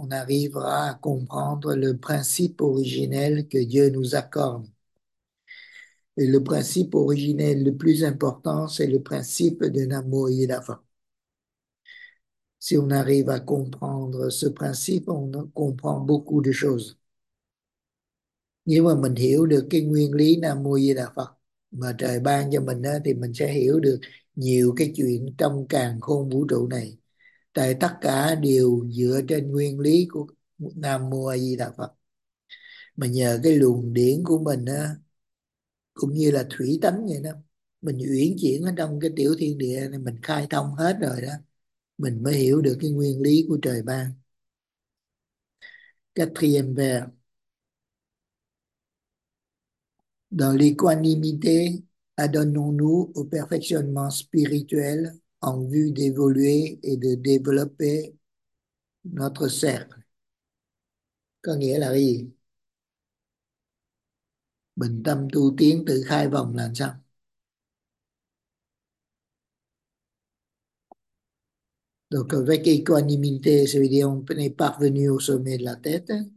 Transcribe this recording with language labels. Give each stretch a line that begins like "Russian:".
French: On arrivera à comprendre le principe originel que Dieu nous accorde. Et le principe originel le plus important, c'est le principe de Namo Yidava. Si on arrive à comprendre ce principe, on comprend beaucoup de choses.
Vietnamese: Nhưng mà mình hiểu được cái nguyên lý Namo Yidava mà trời ban cho mình đó, thì mình sẽ hiểu được nhiều cái chuyện trong càn khôn vũ trụ này, tại tất cả đều dựa trên nguyên lý của Nam Mô A Di Đà Phật. Mà nhờ cái luồng điển của mình á, cũng như là thủy tánh vậy đó, mình uyển chuyển ở trong cái tiểu thiên địa này, mình khai thông hết rồi đó, mình mới hiểu được cái nguyên lý của trời ban.
French: Quatrième vers. Dans l'équanimité, adonnons-nous au perfectionnement spirituel en vue d'évoluer et de développer notre cercle.
Vietnamese: Có nghĩa là gì? Bình tâm tu tiến tự khai vòng là sao?
French: Donc avec équanimité, ça veut dire on est parvenu au sommet de la tête.